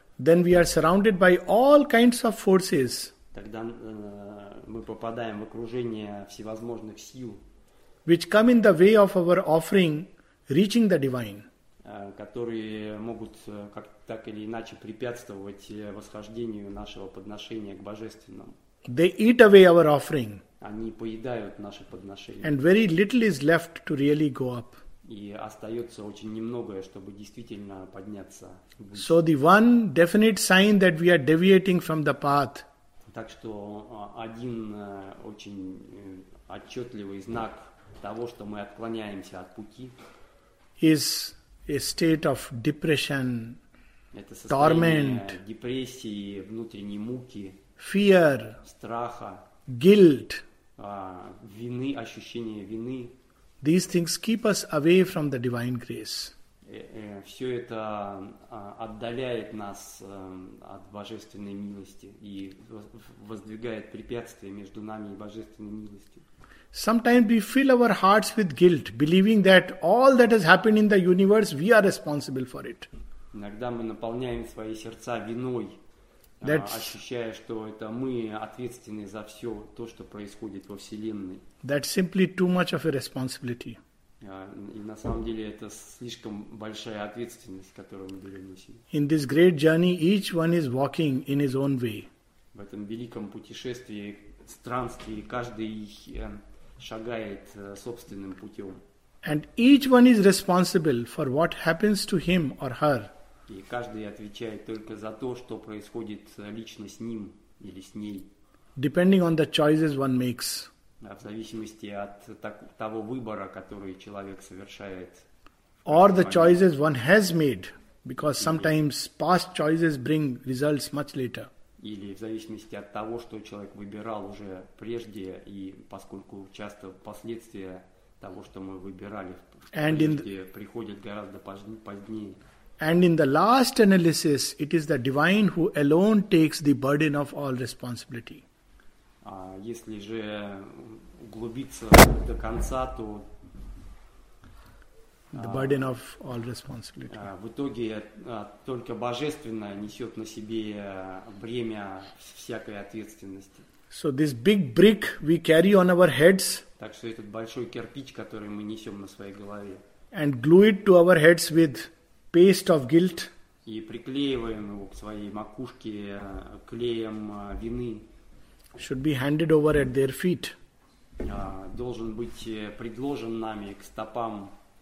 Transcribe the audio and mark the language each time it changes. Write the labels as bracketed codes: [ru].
[en] then we are surrounded by all kinds of forces. [ru] Тогда мы попадаем в окружение всевозможных сил, [en] which come in the way of our offering, reaching the divine. [ru] Которые могут как так или иначе препятствовать восхождению нашего подношения к божественному. [en] They eat away our offering. [ru] Они поедают наше подношение. [en] And very little is left to really go up. [ru] И остается очень немногое, чтобы действительно подняться. [en] So the one definite sign that we are deviating from the path. [ru] Так что один очень отчетливый знак того, что мы отклоняемся от пути, [en] is a state of depression, [ru] это состояние [en] torment, [ru] депрессии, внутренней муки, [en] fear, [ru] страха, [en] guilt, [ru] вины, ощущение вины. [en] These things keep us away from the divine grace. [ru] Все это отдаляет нас от божественной милости и воздвигает препятствия между нами и божественной милостью. [en] Sometimes we fill our hearts with guilt, believing that all that has happened in the universe, we are responsible for it. [ru] Иногда мы наполняем свои сердца виной, ощущая, что это мы ответственны за все то, что происходит во Вселенной. [en] That's simply too much of a responsibility. [ru] И на самом деле это слишком большая ответственность, которую мы берем на себя. [en] In this great journey, each one is walking in his own way. [ru] В этом великом путешествии, странствии, каждый шагает собственным путем. [en] And each one is responsible for what happens to him or her. [ru] И каждый отвечает только за то, что происходит лично с ним или с ней. [en] Depending on the choices one makes. [ru] В зависимости от того выбора, который человек совершает. [en] Or the choices one has made, because sometimes past choices bring results much later. [ru] Или в зависимости от того, что человек выбирал уже прежде, и поскольку часто последствия того, что мы выбирали, приходят гораздо позднее. [en] And in the last analysis, it is the divine who alone takes the burden of all responsibility. [ru] Если же углубиться до конца, то [en] the burden of all responsibility. [ru] В итоге только божественное несет на себе бремя всякой ответственности. [en] So this big brick we carry on our heads. [ru] Так что этот большой кирпич, который мы несем на своей голове. [en] And glue it to our heads with paste of guilt. [ru] И приклеиваем его к своей макушке клеем вины. [en] Should be handed over at their feet. [ru] Должен быть предложен нами к стопам.